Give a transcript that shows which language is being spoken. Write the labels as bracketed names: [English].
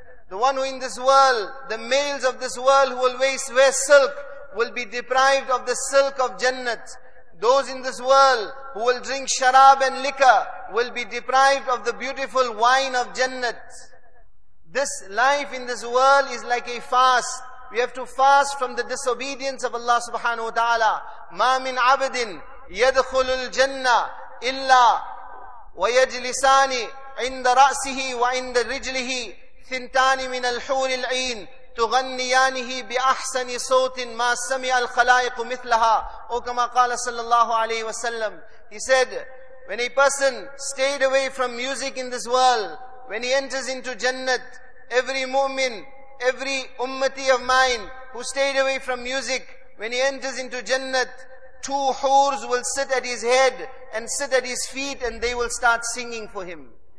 [English] The one who in this world, the males of this world who will wear silk, will be deprived of the silk of Jannat. Those in this world who will drink sharab and liquor will be deprived of the beautiful wine of Jannat. This life in this world is like a fast. We have to fast from the disobedience of Allah subhanahu wa ta'ala. [Arabic] مَا مِنْ عَبْدٍ يَدْخُلُ الْجَنَّةِ إِلَّا وَيَجْلِسَانِ عِنْدَ رَأْسِهِ وَعِنْدَ رِجْلِهِ ثِنْتَانِ مِنَ الْحُورِ الْعِينِ تغنيانه بأحسن صوت ما سمع الخلائق مثلها أو كما قال صلى الله عليه وسلم. [English] He said, when a person stayed away from music in this world, when he enters into Jannat, every mu'min, every ummati of mine who stayed away from music, when he enters into Jannat, two hoors will sit at his head and sit at his feet, and they will start singing for him.